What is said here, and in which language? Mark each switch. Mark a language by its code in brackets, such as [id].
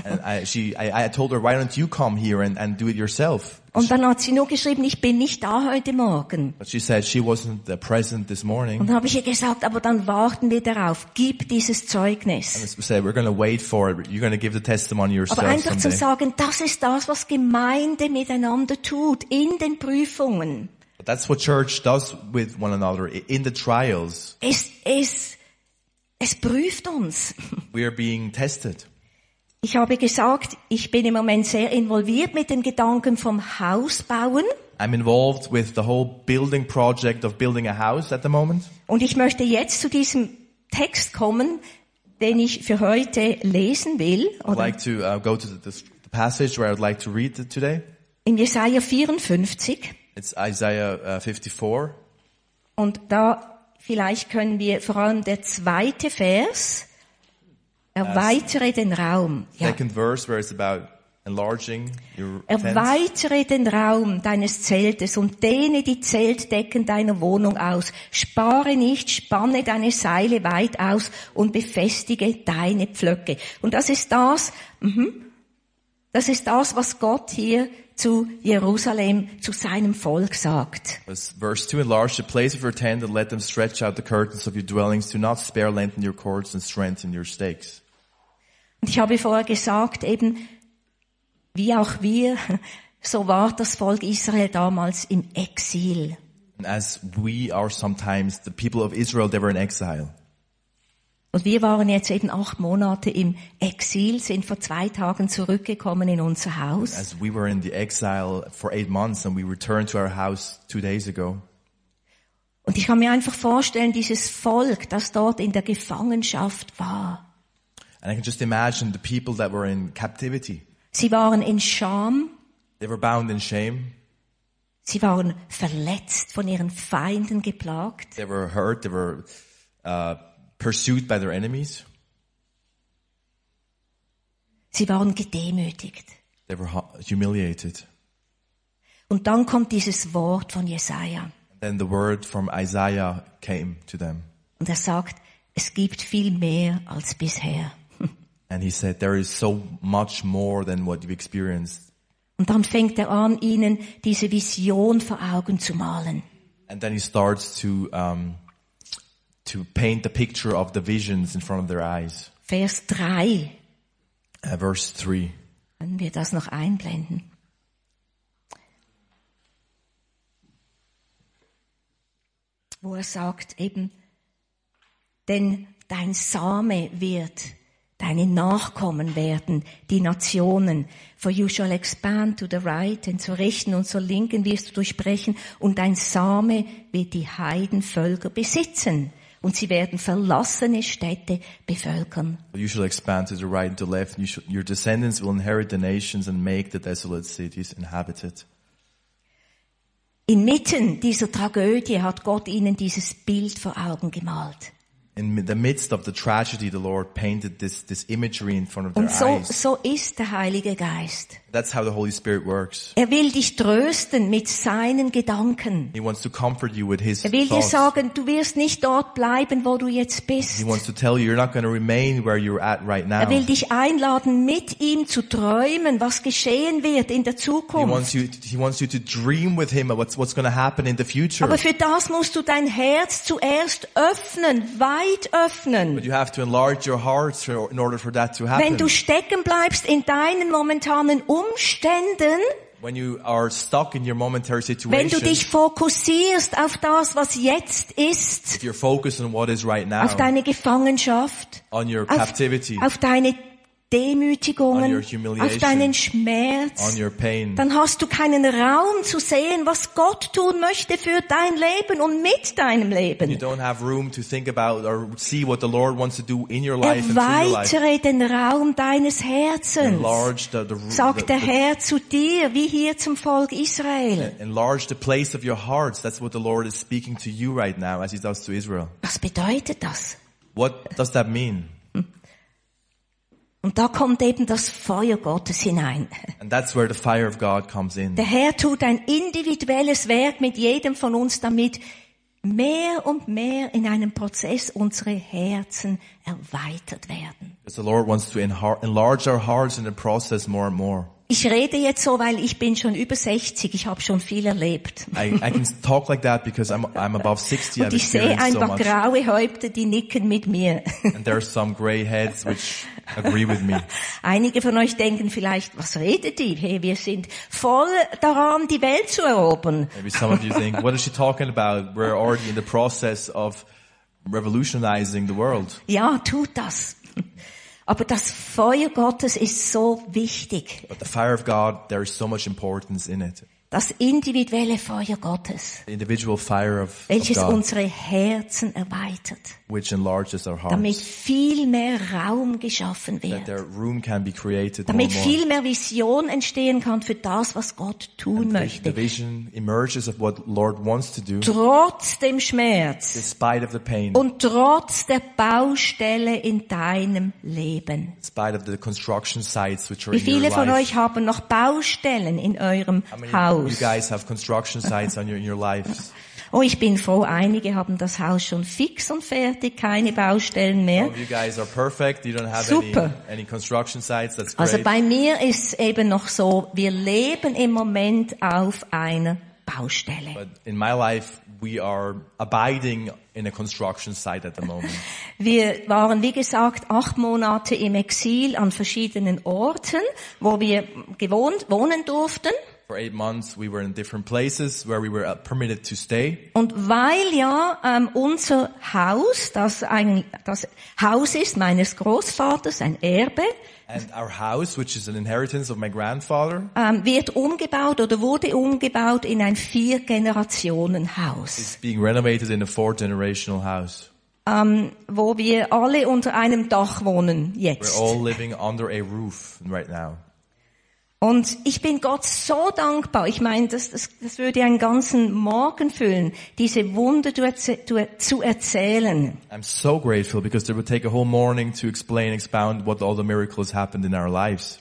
[en] I told her, why don't you come here and do it yourself? [de] Und dann hat sie nur geschrieben, ich bin nicht da heute Morgen. [en] But she said she wasn't present this morning. [de] Und dann habe ich ihr gesagt, aber dann warten wir darauf, gib dieses Zeugnis. [en] And said, we're going to wait for it, you're going to give the testimony yourself. [de] Aber einfach [en] someday [de] zu sagen, das ist das, was Gemeinde miteinander tut, in den Prüfungen. [en] But that's what church does with one another, in the trials. [de] Es prüft uns. [en] We are being tested. [de] Ich habe gesagt, ich bin im Moment sehr involviert mit dem Gedanken vom Haus bauen. [en] I'm involved with the whole building project of building a house at the moment. [de] Und ich möchte jetzt zu diesem Text kommen, den ich für heute lesen will. [en] I'd like to go to the passage where I would like to read it today. [de] In Jesaja 54. [en] It's Isaiah 54. [de] Und da vielleicht können wir vor allem der zweite Vers. Erweitere den Raum. [en] Second verse where it's about enlarging your tent. [de] Erweitere den Raum deines Zeltes und dehne die Zeltdecken deiner Wohnung aus. Spare nicht, spanne deine Seile weit aus und befestige deine Pflöcke. Und das ist das, was Gott hier zu Jerusalem, zu seinem Volk sagt. [en] Verse 2, enlarge the place of your tent and let them stretch out the curtains of your dwellings. Do not spare length in your cords and strengthen your stakes. [de] Und ich habe vorher gesagt, eben, wie auch wir, so war das Volk Israel damals im Exil. [en] As we are sometimes, the people of Israel, they were in exile. [de] Und wir waren jetzt eben 8 Monate im Exil, sind vor 2 Tagen zurückgekommen in unser Haus. [en] As we were in the exile for 8 months and we returned to our house 2 days ago. [de] Und ich kann mir einfach vorstellen, dieses Volk, das dort in der Gefangenschaft war. [en] And I can just imagine the people that were in captivity. [de] Sie waren in Scham. [en] They were bound in shame. [de] Sie waren verletzt, von ihren Feinden geplagt. [en] They were hurt, they were pursued by their enemies. [de] Sie waren gedemütigt. [en] They were humiliated. [de] Und dann kommt dieses Wort von Jesaja. [en] Then the word from Isaiah came to them. [de] Und er sagt, es gibt viel mehr als bisher. [en] And he said, there is so much more than what you've experienced. [de] Und dann fängt er an, ihnen diese Vision vor Augen zu malen. [en] And then he starts to paint the picture of the visions in front of their eyes. [de] Vers 3. [en] Verse 3. [de] Können wir das noch einblenden? Wo er sagt eben, denn dein Same wird deine Nachkommen werden, die Nationen. [en] For you shall expand to the right and [de] zur rechten und zur linken wirst du durchbrechen und dein Same wird die Heidenvölker besitzen und sie werden verlassene Städte bevölkern. [en] You shall expand to the right and to the left and your descendants will inherit the nations and make the desolate cities inhabited. [de] Inmitten dieser Tragödie hat Gott ihnen dieses Bild vor Augen gemalt. [en] In the midst of the tragedy, the Lord painted this imagery in front of their eyes. [de] Und so ist der Heilige Geist. [en] That's how the Holy Spirit works. [de] Er will dich trösten mit seinen Gedanken. [en] He wants to comfort you with his thoughts. [de] Er will [en] thoughts. [de] Dir sagen, du wirst nicht dort bleiben, wo du jetzt bist. [en] He wants to tell you, you're not going to remain where you're at right now. [de] Er will dich einladen, mit ihm zu träumen, was geschehen wird in der Zukunft. [en] He wants you to dream with him what's going to happen in the future. [de] Aber für das musst du dein Herz zuerst öffnen, weit öffnen. [en] But you have to enlarge your heart in order for that to happen. [de] Wenn du stecken bleibst in deinen momentanen Umständen, [en] when you are stuck in your momentary situation, [de] wenn du dich fokussierst auf das, was jetzt ist, [en] if you're focused on what is right now, [de] auf deine Gefangenschaft, [en] on your captivity, [de] auf deine Demütigungen, [en] on your humiliation, [de] auf deinen Schmerz, [en] on your pain, [de] dann hast du keinen Raum zu sehen, was Gott tun möchte für dein Leben und mit deinem Leben. [en] You don't have room to think about or see what the Lord wants to do in your life. [de] Erweitere den Raum deines Herzens. [en] Enlarge the [de] sagt der Herr zu dir, wie hier zum Volk Israel. [en] Enlarge the place of your hearts. That's what the Lord is speaking to you right now, as he does to Israel. [de] Was bedeutet das? [en] What does that mean? [de] Und da kommt eben das Feuer Gottes hinein. [en] And that's where the fire of God comes in. [de] Der Herr tut ein individuelles Werk mit jedem von uns, damit mehr und mehr in einem Prozess unsere Herzen erweitert werden. [en] Because the Lord wants to enlarge our hearts in the process more and more. [de] Ich rede jetzt so, weil ich bin schon über 60. Ich habe schon viel erlebt. [en] I can talk like that because I'm above 60. [de] Und ich sehe ein paar graue Häupter, die nicken mit mir. [en] And there are some gray heads which agree with me. [de] Einige von euch denken vielleicht, was redet die? Hey, wir sind voll daran, die Welt zu erobern. [en] Maybe some of you think, what is she talking about? We're already in the process of revolutionizing the world. [de] Ja, tut das. Aber das Feuer Gottes ist so wichtig. [en] But the fire of God, there is so much importance in it. [de] Das individuelle Feuer Gottes. [en] The individual fire of God. [de] Welches unsere Herzen erweitert. [en] Which enlarges our hearts. [de] Damit viel mehr Raum geschaffen wird. [en] That there room can be created. [de] Damit [en] more and [de] viel [en] more. [de] Mehr Vision entstehen kann für das, was Gott tun [en] and [de] möchte. [en] The vision emerges of what Lord wants to do. [de] Trotz dem Schmerz. [en] Despite of the pain. [de] Und trotz der Baustelle in deinem Leben. [en] Despite of the construction sites which are [de] wie viele [en] in your [de] von [en] life. [de] Euch haben noch Baustellen in eurem Haus? [en] You guys have construction sites in your lives. [de] Oh, ich bin froh, einige haben das Haus schon fix und fertig, keine Baustellen mehr. [en] You guys are perfect. You don't have [de] super. [en] Any construction sites. That's great. [de] Also bei mir ist es eben noch so, wir leben im Moment auf einer Baustelle. [en] But in my life, we are abiding in a construction site at the moment. [de] Wir waren, wie gesagt, 8 Monate im Exil an verschiedenen Orten, wo wir wohnen durften. [en] For 8 months, we were in different places where we were permitted to stay. [de] Und weil ja unser Haus, das Haus ist meines Großvaters, ein Erbe. [en] And our house, which is an inheritance of my grandfather, [de] wird umgebaut oder wurde umgebaut in ein 4-Generationen-Haus. [en] It's being renovated in a 4-generational house. [de] Wo wir alle unter einem Dach wohnen jetzt. [en] We're all living under a roof right now. [de] Und ich bin Gott so dankbar. Ich meine, das würde einen ganzen Morgen füllen, diese Wunder zu erzählen. [en] I'm so grateful because it would take a whole morning to explain, expound what all the miracles happened in our lives.